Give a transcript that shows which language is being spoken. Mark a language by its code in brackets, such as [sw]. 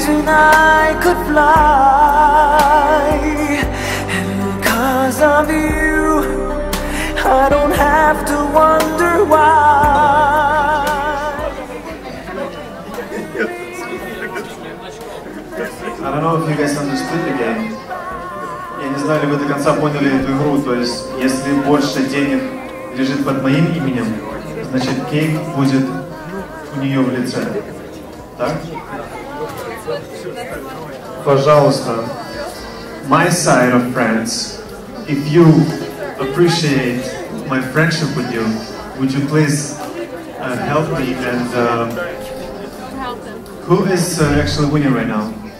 [en] I could fly, and because of you, I don't have to wonder why. I don't know if you guys understood the game. [ru] Я не знаю, ли вы до конца поняли эту игру, то есть, если больше денег лежит под моим именем, значит, кейк будет у нее в лице. Так? Пожалуйста, [en] my side of France, if you appreciate my friendship with you, would you please help me and help them. Who is actually winning right now?